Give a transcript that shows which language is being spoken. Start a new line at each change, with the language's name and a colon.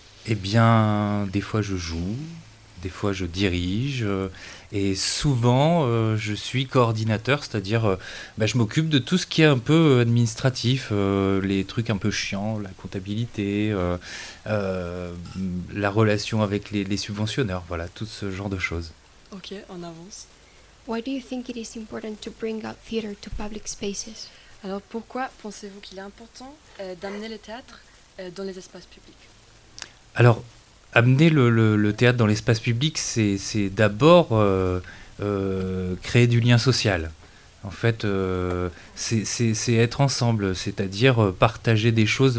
French: Eh bien, des fois je joue, des fois je dirige, et souvent je suis coordinateur, c'est-à-dire je m'occupe de tout ce qui est un peu administratif, les trucs un peu chiants, la comptabilité, la relation avec les subventionneurs, voilà, tout ce genre de choses. Ok, on avance.
English: Why do you think it is important to bring out theater to public spaces?
French: Alors pourquoi pensez-vous qu'il est important d'amener le théâtre dans les espaces publics? Alors, amener le théâtre dans l'espace public, c'est d'abord créer du lien social. En fait, c'est être ensemble, c'est-à-dire partager des choses.